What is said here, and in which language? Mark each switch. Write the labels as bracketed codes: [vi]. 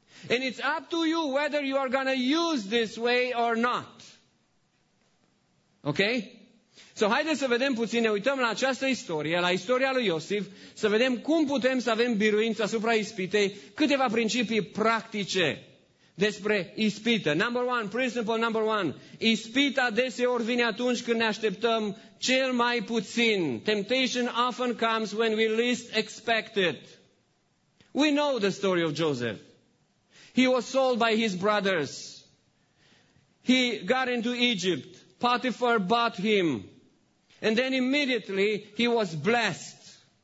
[en] And it's up to you whether you are going to use this way or not. Ok? [ro] So, haideți să vedem puțin, ne uităm la această istorie, la istoria lui Iosif, să vedem cum putem să avem biruință asupra ispitei, câteva principii practice despre ispită. [en] Number one, principle number one, [ro] ispita deseori vine atunci când ne așteptăm cel mai puțin. [en] Temptation often comes when we least expect it. We know the story of Joseph. He was sold by his brothers. He got into Egypt. Potiphar bought him. And then immediately he was blessed.